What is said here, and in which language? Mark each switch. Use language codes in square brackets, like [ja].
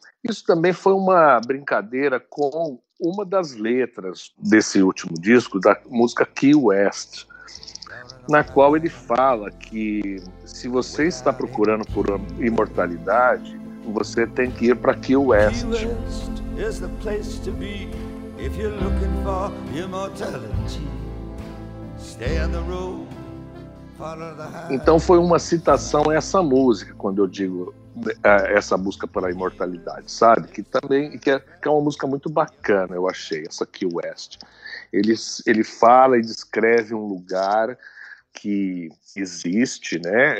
[pt] Isso também foi uma brincadeira com uma das letras desse último disco, da música Key West, na qual ele fala que se você está procurando por imortalidade, você tem que ir para Key West. [en] Key West is the place to be. If you're looking for immortality, stay on the road [pt] Então foi uma citação a essa música, quando eu digo essa música para a imortalidade, sabe? Que também que é uma música muito bacana, eu achei, essa Key West. Ele fala e descreve um lugar que existe, né?